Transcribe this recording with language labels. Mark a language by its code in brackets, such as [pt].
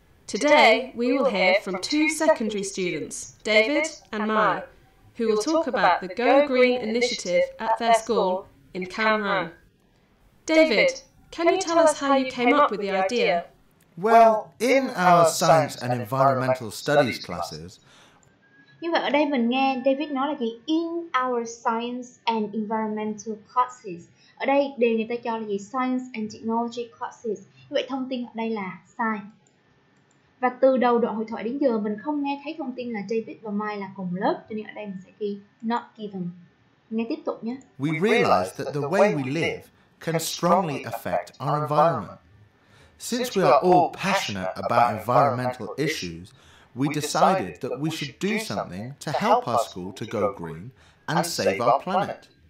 [en] Today, we will hear from two secondary students, David and Mai, who will talk about the Go Green initiative at their school in Cam Ranh. David, can you tell us how you came up with the idea? Well, in our science and environmental studies classes... [vi] Như vậy ở đây mình nghe David nói là gì? [en] In our science and environmental classes. [vi] Ở đây đề người ta cho là gì? [en] Science and technology classes. [vi] Vậy thông tin ở đây là sai. Và từ đầu đoạn hội thoại đến giờ mình không nghe thấy thông tin là David và Mai là cùng lớp, cho nên ở đây mình sẽ ghi not given. Nghe tiếp tục nhé. [en] We realize that the way we live can strongly affect our environment. Since we are all passionate about environmental issues, we decided that we should do something to help our school to go green and save our planet.